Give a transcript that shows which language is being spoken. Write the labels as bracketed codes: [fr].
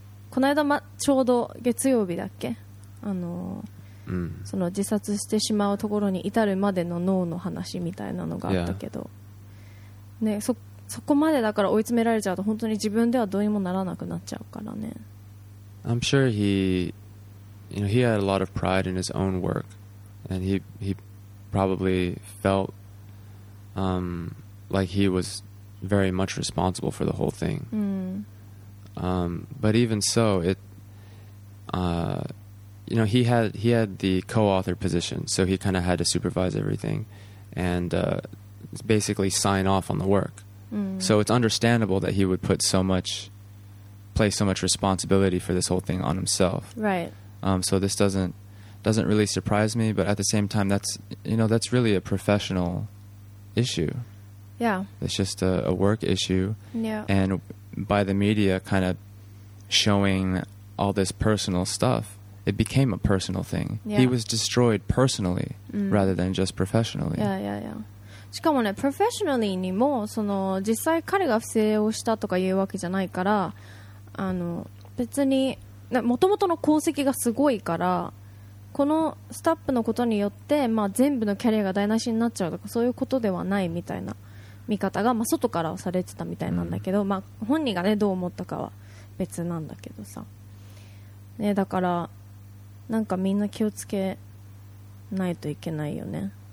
[ja] この間、ま、ちょうど月曜日だっけ、うん、その自殺してしまうところに至るまでの脳の話みたいなのがあったけど、yeah. ね、そこまでだから追い詰められちゃうと本当に自分ではどうにもならなくなっちゃうからね。 [en] I'm sure he, you know, he had a lot of pride in his own work, and he probably felt like he was very much responsible for the whole thing. But even so, it, you know, he had the co-author position, so he kind of had to supervise everything and basically sign off on the work. So it's understandable that he would place so much responsibility for this whole thing on himself. Right. So this doesn't really surprise me, but at the same time, that's, you know, that's really a professional issue. Yeah. It's just a work issue. Yeah. And by the media kind of showing all this personal stuff, it became a personal thing. Yeah. He was destroyed personally rather than just professionally. Yeah, yeah, yeah. [ja] しかもね、プロフェッショナリーにもその実際彼が不正をしたとかいうわけじゃないから、あの別に元々の功績がすごいから、このスタップのことによって、まあ、全部のキャリアが台無しになっちゃうとかそういうことではないみたいな見方が、まあ、外からはされてたみたいなんだけど、まあ、本人が、ね、どう思ったかは別なんだけどさ、ね、だからなんかみんな気をつけないといけないよね。